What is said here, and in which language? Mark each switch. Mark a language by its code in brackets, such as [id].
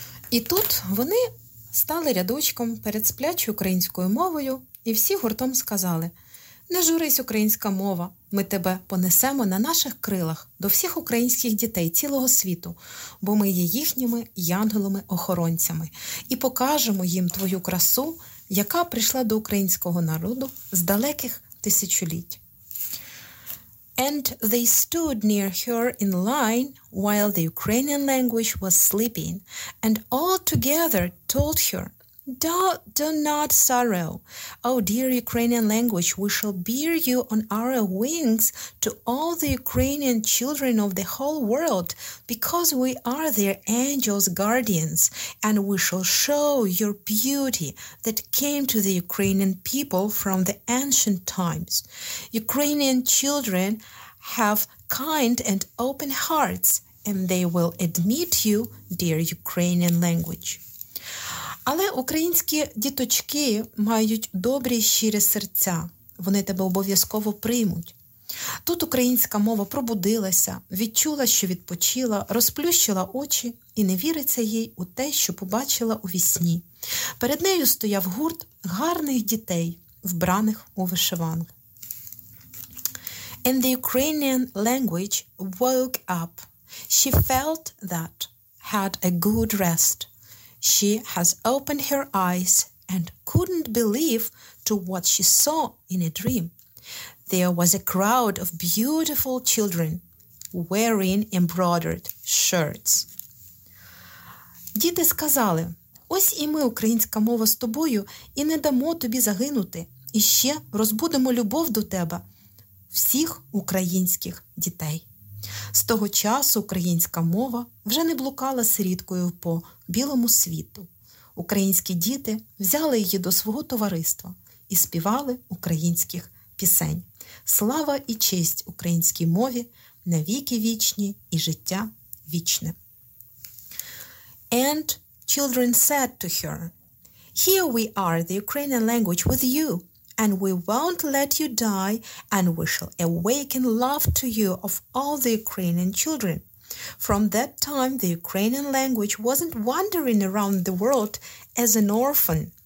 [uk] І тут вони стали рядочком перед сплячою українською мовою і всі гуртом сказали: "Не журись, українська мова, ми тебе понесемо на наших крилах до всіх українських дітей цілого світу, бо ми є їхніми янголами-охоронцями, і покажемо їм твою красу, яка прийшла до українського народу з далеких тисячоліть." [en] And they stood near her in line while the Ukrainian language was sleeping, and all together told her, "Do not sorrow. Oh, dear Ukrainian language, we shall bear you on our wings to all the Ukrainian children of the whole world, because we are their angels' guardians, and we shall show your beauty that came to the Ukrainian people from the ancient times. Ukrainian children have kind and open hearts, and they will admit you, dear Ukrainian language." [uk] Але українські діточки мають добрі щирі серця. Вони тебе обов'язково приймуть. Тут українська мова пробудилася, відчула, що відпочила, розплющила очі і не віриться їй у те, що побачила у вісні. Перед нею стояв гурт гарних дітей, вбраних у вишиванку. [en] And the Ukrainian language woke up. She felt that had a good rest. She has opened her eyes and couldn't believe to what she saw in a dream. There was a crowd of beautiful children wearing embroidered shirts. [uk] Діти сказали: "Ось і ми, українська мова, з тобою, і не дамо тобі загинути, і ще розбудемо любов до тебе всіх українських дітей." З того часу українська мова вже не блукала сиріткою по білому світу. Українські діти взяли її до свого товариства і співали українських пісень. Слава і честь українській мові на віки вічні і життя вічне. [en] And children said to her, "Here we are, the Ukrainian language, with you. And we won't let you die, and we shall awaken love to you of all the Ukrainian children." From that time, the Ukrainian language wasn't wandering around the world as an orphan.